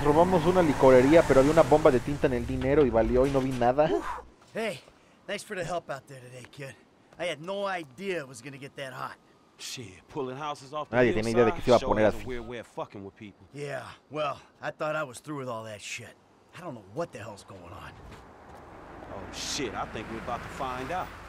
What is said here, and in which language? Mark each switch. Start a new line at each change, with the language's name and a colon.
Spanish: Robamos una licorería, pero había una bomba de tinta en el dinero y valió y no vi nada.
English: Hey, thanks for the help out there today, kid. I had no idea it was gonna get that hot.
Spanish: Nadie tiene idea de que se iba a poner así.
English: Yeah, well, I thought I was through with all that shit. I don't know what the hell's going on. Oh shit, I think we're about to find out.